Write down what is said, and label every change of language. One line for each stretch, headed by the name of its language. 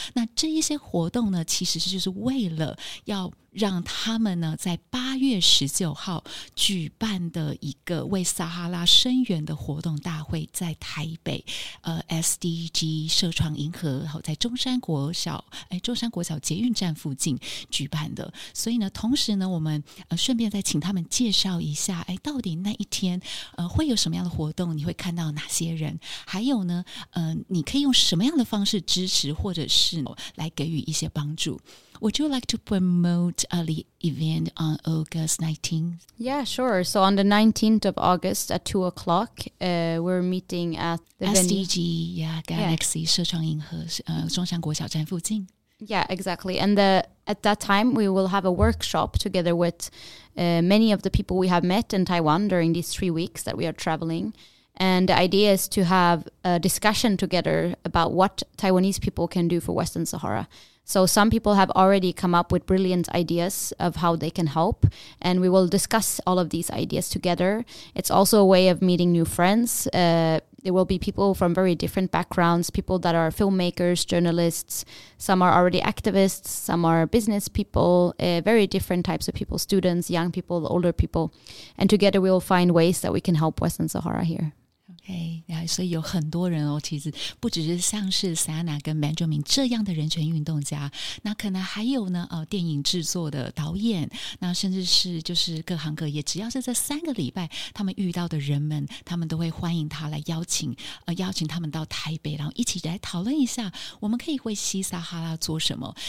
Chinese: 那这一些活动呢，其实就是为了要让他们呢在八月十九号举办的一个为撒哈拉声援的活动大会，在台北SDG 社创银河，在中山国小捷运站附近举办的。所以呢，同时呢，我们顺便再请他们介绍一下，到底那一天会有什么样的活动，你会看到哪些人，还有呢你可以用什么样的方式支持或者是来给予一些帮助。
English: Would you like to promote the event on August 19th? Yeah, sure. So on the 19th of August at 2 o'clock,、we're meeting at the
Chinese: SDG, yeah, Galaxy, 社创银河、中山国小站附近。
English: Yeah, exactly. And the, at that time, we will have a workshop together with、many of the people we have met in Taiwan during these 3 weeks that we are traveling. And the idea is to have a discussion together about what Taiwanese people can do for Western Sahara. So some people have already come up with brilliant ideas of how they can help. And we will discuss all of these ideas together. It's also a way of meeting new friends. There will be people from very different backgrounds, people that are filmmakers, journalists. Some are already activists. Some are business people, very different types of people, students, young people, older people. And together we will find ways that we can help Western Sahara here.
Chinese: Okay, 所以有很多人哦，其实不只是像是 Sanna 跟 Benjamin 这样的人权运动家，那可能还有呢，电影制作的导演，那甚至是就是各行各业，只要是这三个礼拜他们遇到的人们，他们都会欢迎他来邀请他们到台北，然后一起来讨论一下我们可以为西撒哈拉做什么。